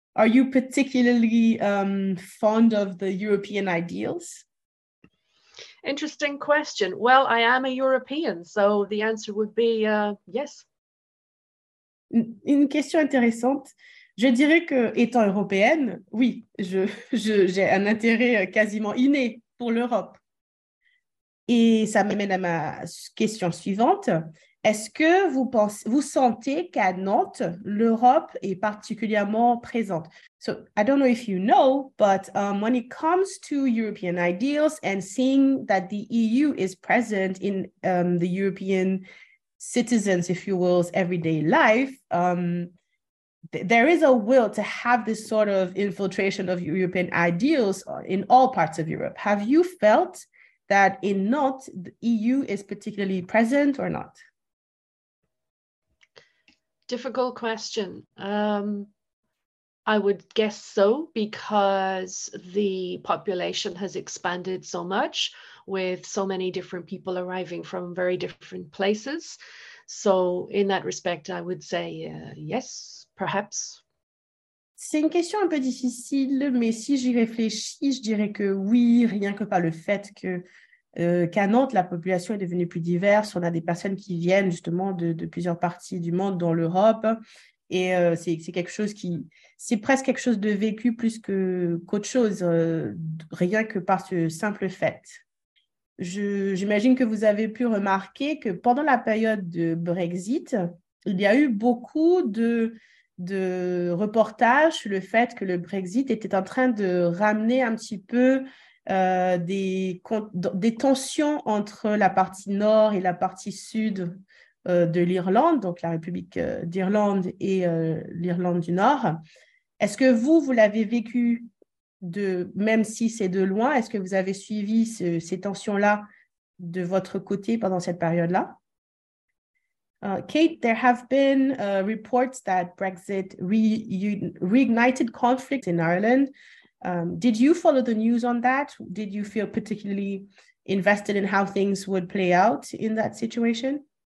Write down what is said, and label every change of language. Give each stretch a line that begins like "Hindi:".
English: Are you particularly fond of the European ideals? Interesting question. Well, I am a European, so the answer would be yes.
French: Une question intéressante. Je dirais que, étant européenne, oui, j'ai un intérêt quasiment inné pour l'Europe. Et ça m'amène à ma question suivante. Est-ce que vous sentez qu'à Nantes, l'Europe est particulièrement présente?
English: So, I don't know if you know, but when it comes to European ideals and seeing that the EU is present in the European citizens, if you will, everyday life, th there is a will to have this sort of infiltration of European ideals in all parts of Europe. Have you felt that in Nantes, the EU is particularly present or not? Difficult question. I would guess so because the population has expanded so much with so many different people arriving from very different places. So, in that respect, I would say yes, perhaps.
French: C'est une question un peu difficile, mais si j'y réfléchis, je dirais que oui, rien que par le fait que qu'à Nantes, la population est devenue plus diverse. On a des personnes qui viennent justement de plusieurs parties du monde, dont l'Europe. Et c'est quelque chose qui, c'est presque quelque chose de vécu plus que qu'autre chose, rien que par ce simple fait. J'imagine que vous avez pu remarquer que pendant la période de Brexit, il y a eu beaucoup de reportages sur le fait que le Brexit était en train de ramener un petit peu des tensions entre la partie nord et la partie sud de l'Irlande, donc la République d'Irlande et l'Irlande du Nord. Est-ce que vous l'avez vécu même si c'est de loin, est-ce que vous avez suivi ces tensions-là de votre côté pendant cette période-là?
English: Kate, there have been reports that Brexit reignited conflict in Ireland. Did you follow the news on that? Did you feel particularly invested in how things would play out in that situation?